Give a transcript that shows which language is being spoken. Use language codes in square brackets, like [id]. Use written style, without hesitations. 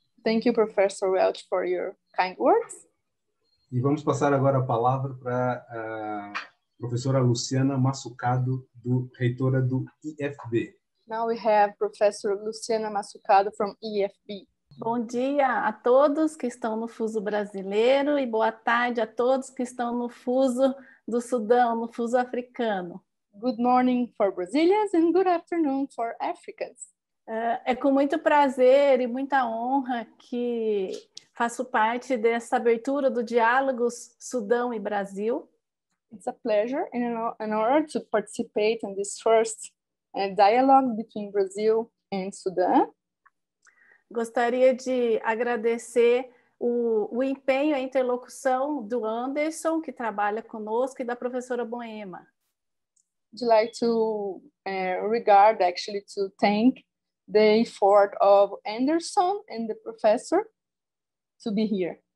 [en] Thank you, Professor Welch, for your kind words. [pt] E vamos passar agora a palavra para a professora Luciana Massucado, do reitora do IFB. [en] Now we have Professor Luciana Massucado from IFB. [pt] Bom dia a todos que estão no Fuso Brasileiro e boa tarde a todos que estão no Fuso do Sudão, no Fuso Africano. [en] Good morning for Brazilians and good afternoon for Africans. [pt] É com muito prazer e muita honra que faço parte dessa abertura do Diálogos Sudão e Brasil. [en] It's a pleasure and an honor to participate in this first dialogue between Brazil and Sudan. [pt] Gostaria de agradecer o empenho e a interlocução do Anderson, que trabalha conosco, e da professora Boema. [en] I'd like to regard, actually, to thank the effort of Anderson and the professor to be here.